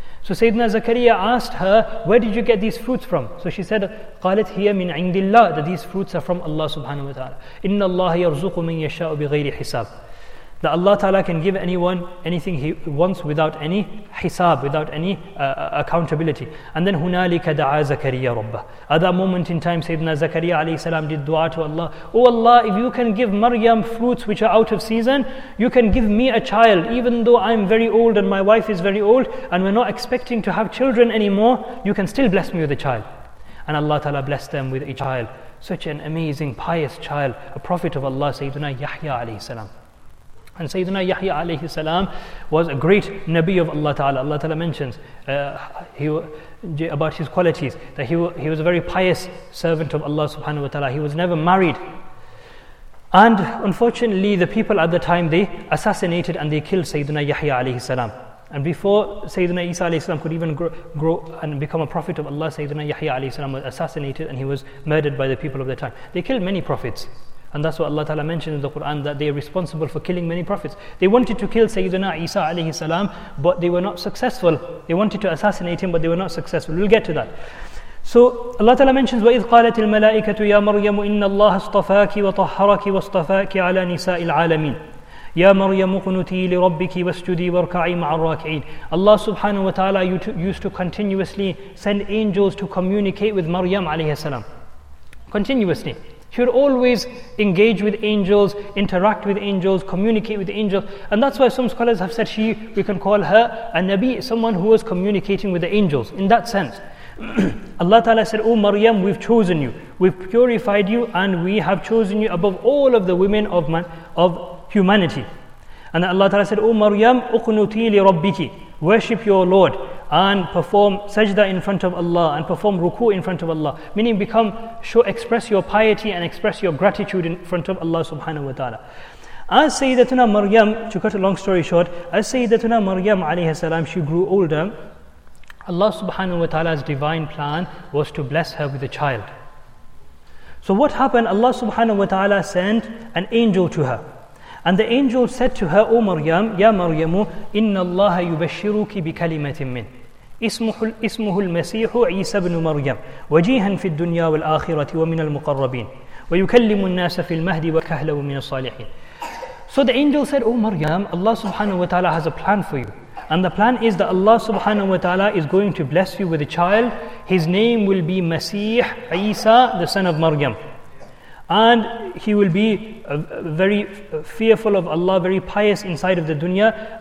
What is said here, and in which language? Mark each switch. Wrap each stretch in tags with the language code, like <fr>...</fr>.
<en>So Sayyidina Zakariya asked her, where did you get these fruits from? So she said,</en> <ar>قَالَتْ هِيَ مِنْ عِنْدِ اللَّهِ,</ar> <en>that these fruits are from Allah subhanahu wa ta'ala.</en> <ar>إِنَّ اللَّهَ يَرْزُقُ مِنْ يَشَاءُ بِغَيْرِ حِسَابٍ,</ar> <en>that Allah Ta'ala can give anyone anything he wants without any hisab, without any accountability. And then</en> <ar>هُنَالِكَ دَعَى زَكَرِيَّ رَبَّهُ.</ar> <en>At that moment in time, Sayyidina Zakariya alayhi salam did dua to Allah. Oh Allah, if you can give Maryam fruits which are out of season, you can give me a child. Even though I'm very old and my wife is very old and we're not expecting to have children anymore, you can still bless me with a child. And Allah Ta'ala blessed them with a child. Such an amazing, pious child, a prophet of Allah, Sayyidina Yahya alayhi salam. And Sayyidina Yahya alayhi salam was a great Nabi of Allah Ta'ala. Allah Ta'ala mentions about his qualities, that he was a very pious servant of Allah subhanahu wa ta'ala. He was never married. And unfortunately, the people at the time, they assassinated and they killed Sayyidina Yahya alayhi salam. And before Sayyidina Isa alayhi salam could even grow and become a prophet of Allah, Sayyidina Yahya alayhi salam was assassinated and he was murdered by the people of the time. They killed many prophets. And that's what Allah Ta'ala mentioned in the Quran, that they are responsible for killing many prophets. They wanted to kill Sayyidina Isa alayhi salam, but they were not successful. They wanted to assassinate him, but they were not successful. We'll get to that. So Allah Ta'ala mentions,</en> <ar>وَإِذْ قَالَتِ الْمَلَائِكَةُ يَا مَرْيَمُ إِنَّ اللَّهَ اصْطَفَاكِ وَطَحَّرَكِ وَاصْطَفَاكِ عَلَى نِسَاءِ الْعَالَمِينَ. Ya Maryam qunuti li rabbiki wasjudi warka'i ma'ar raki'in.</ar> <en>Allah subhanahu wa ta'ala used to continuously send angels to communicate with Maryam alayhi salam. Continuously. She would always engage with angels, interact with angels, communicate with angels. And that's why some scholars have said we can call her a Nabi, someone who was communicating with the angels. In that sense, Allah Ta'ala said, O Maryam, we've chosen you, we've purified you, and we have chosen you above all of the women of humanity. And that Allah Ta'ala said, O Maryam, uqnuti li rabbiki, worship your Lord and perform sajda in front of Allah and perform ruku in front of Allah. Meaning become, show, express your piety and express your gratitude in front of Allah subhanahu wa ta'ala. As Sayyidatuna Maryam, to cut a long story short, as Sayyidatuna Maryam alayhi salam, she grew older, Allah subhanahu wa ta'ala's divine plan was to bless her with a child. So what happened? Allah subhanahu wa ta'ala sent an angel to her. And the angel said to her, O Maryam, Ya Maryamu,</en> <ar>إِنَّ اللَّهَ يُبَشِّرُكِ بِكَلِمَةٍ مِّنْ إِسْمُهُ الْمَسِيحُ عِيسَى بْنُ مَرْيَمُ وَجِيهًا فِي الدُّنْيَا وَالْآخِرَةِ وَمِنَ الْمُقَرَّبِينَ وَيُكَلِّمُ النَّاسَ فِي الْمَهْدِ وَكَهْلًا وَمِنَ الصَّالِحِينَ.</ar> <en>So the angel said, O Maryam, Allah subhanahu wa ta'ala has a plan for you. And the plan is that Allah subhanahu wa ta'ala is going to bless you with a child. His name will be Masih Isa, the son of Maryam. And he will be very fearful of Allah, very pious inside of the dunya.</en>